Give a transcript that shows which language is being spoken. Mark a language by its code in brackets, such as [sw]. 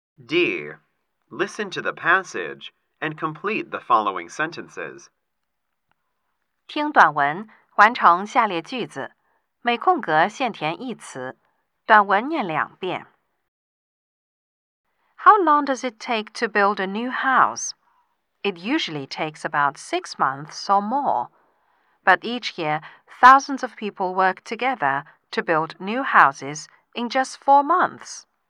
[en] D. Listen to the passage. And complete the following sentences. [zh] 听短文，完成下列句子，每空格限填一词，短文念两遍。 [en] How long does it take to build a new house? It usually takes about 6 months or more. But each year, thousands of people work together to build new houses in just 4 months.